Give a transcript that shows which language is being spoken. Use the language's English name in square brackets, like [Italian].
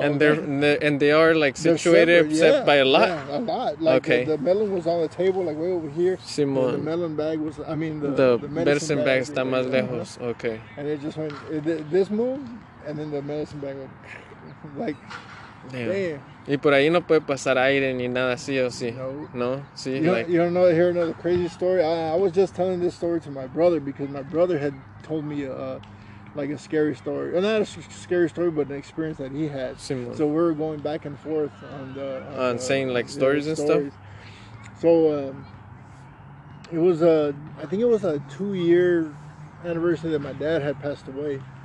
[English] And they're, and they are, like, situated separate, yeah, by a lot. Yeah, a lot. Like, okay. The melon was on the table, like, way over here. [Spanish] Simon. [English] The melon bag was, I mean, the medicine bag [Spanish] está más lejos. Okay. [English] And it just went, this move, and then the medicine bag went, like, damn. [Spanish] Y por ahí no puede pasar aire ni nada así o sí. No. No? Sí, [English] you don't know, hear another crazy story? I was just telling this story to my brother because my brother had told me like a scary story. Not a scary story, but an experience that he had. [Spanish] Simón. [English] So we were going back and forth on the... On saying like stories, you know, stories and stuff? So it was, I think it was a 2-year anniversary that my dad had passed away.